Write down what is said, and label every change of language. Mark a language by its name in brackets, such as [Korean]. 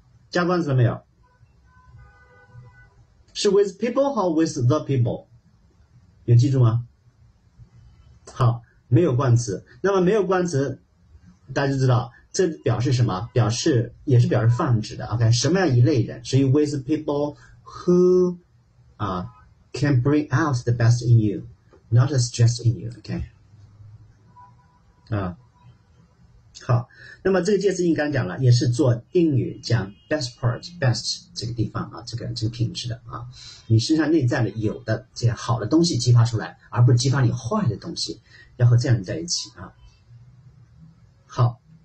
[Chinese] 加冠词了没有？是 [English] with people [Chinese] 或 [English] with the people？ [Chinese] 有记住吗？好，没有冠词。那么没有冠词，大家就知道。这表示什么？表示也是表示泛指的。OK，什么样一类人？ [English] 所以 with people who can bring out the best in you，not just in you。 [Chinese] OK，好。那么这个介词 in 刚讲了，也是做定语，讲 [English] best part， [Chinese] best 这个地方啊，这个品质的啊，你身上内在的有的这些好的东西激发出来，而不是激发你坏的东西，要和这样人在一起啊。好。